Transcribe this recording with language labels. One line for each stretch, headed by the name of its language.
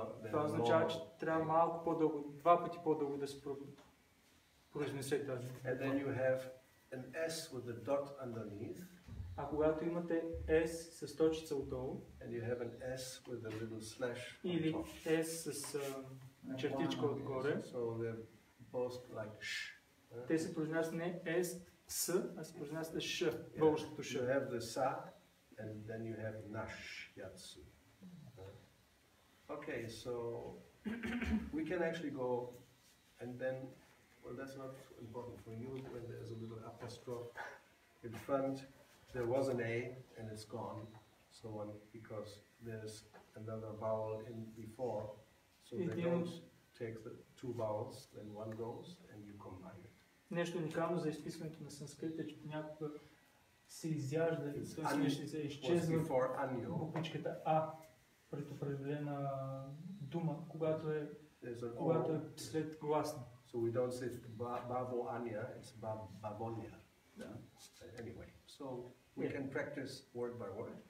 Bulgarian: Това означава, че трябва малко по-дълго, два пъти по-дълго да се произнесе тази.
English: And then you have an S with a dot underneath.
Bulgarian: А когато имате S с точица отдолу.
English: And you have an S with a little slash on top.
Bulgarian: Или S с чертичка отгоре.
English: So they're both like sh.
Bulgarian: Те се произнесат не S, S, а се произнесат Sh, българското Sh.
English: You have the Sa, and then you have Nash, Yatsu. Okay, so we can actually go and then, well, that's not important for you when there's a little apostrophe in front. There was an A and it's gone, so on, because there's another vowel in before, so they don't take the two vowels, then one goes and you combine it.
Bulgarian: Нещо уникално за изписването на санскрит е, че понякога се изяжда, се изчезва буквичката А. Предопределена дума, когато е, когато е след гласна.
English: So we don't say Bavoania, it's Bavonia. Yeah. Anyway, so we can practice word by word.